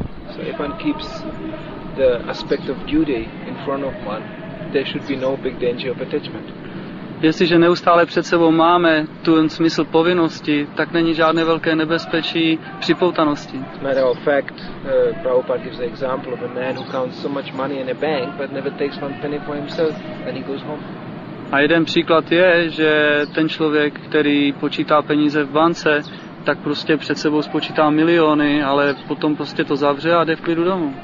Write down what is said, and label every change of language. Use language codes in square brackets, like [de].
[en] So if one keeps the aspect of duty in front of one, there should be no big danger of attachment. [cs] Jestliže neustále před sebou máme tu smysl povinnosti, tak není žádné velké nebezpečí připoutanosti. [en] As a matter of fact, Prabhupada gives the example of a man who counts so much money in a bank, but never takes one penny for himself, then he goes home. [cs] A jeden příklad je, že ten člověk, který počítá peníze v bance, tak prostě před sebou spočítá miliony, ale potom prostě to zavře a jde v klidu domů.